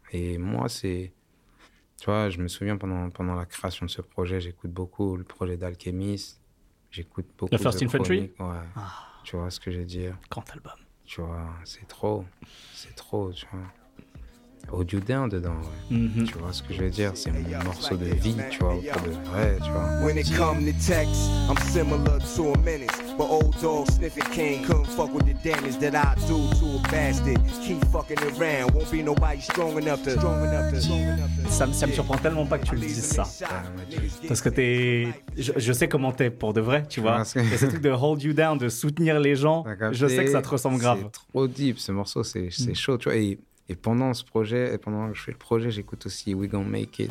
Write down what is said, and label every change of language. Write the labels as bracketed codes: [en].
[fr] Et moi, c'est... Tu vois, je me souviens pendant la création de ce projet, j'écoute beaucoup le projet d'Alchemist. J'écoute beaucoup The First Infantry. Ouais. Ah. Tu vois ce que je veux dire. Grand album. Tu vois, c'est trop. C'est trop, tu vois. Audio Down dedans, ouais. Mm-hmm. Tu vois ce que je veux dire, c'est mon morceau de vie, tu vois, pour de vrai, tu vois. [en] When it come to text, I'm similar to a menace. But old dog sniffing cane couldn't fuck with the damage that I do to a bastard. Keep fucking around, won't be nobody strong enough to. Strong enough to. [fr] Ça me surprend tellement pas que tu le dises ça. Parce que t'es... Je sais comment t'es pour de vrai, tu vois. Parce que... Et ce truc de [en] hold you down, [fr] de soutenir les gens, je sais que ça te ressemble grave. C'est trop deep, ce morceau, c'est chaud, tu vois. Et pendant ce projet, et pendant que je fais le projet, j'écoute aussi We Gonna Make It,